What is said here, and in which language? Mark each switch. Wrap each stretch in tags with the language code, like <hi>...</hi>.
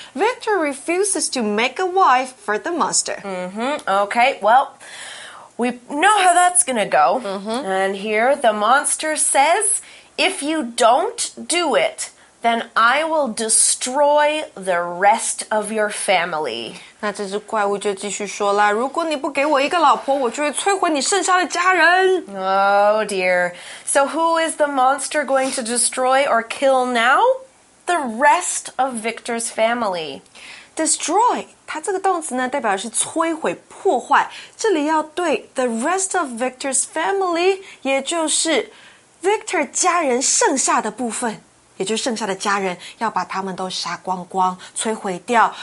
<en>Victor refuses to make a wife for the monster. Okay. Well. We know how that's gonna go.、And here the monster says, if you don't do it, then I will destroy the rest of your family.</en> <zh>那这只怪物就继续说了，如果你不给我一个老婆，我就会摧毁你剩下的家人。</zh> <en>Oh dear. So who is the monster going to destroy or kill now? The rest of Victor's family.</en> <zh>Destroy, 它这个动词呢代表是摧毁、破坏。这里要对</zh> <en>the rest of Victor's family,</en> <zh>也就是 Victor 家人剩下的部分，也就是剩下的家人，要把他们都杀光光、摧毁掉。</zh>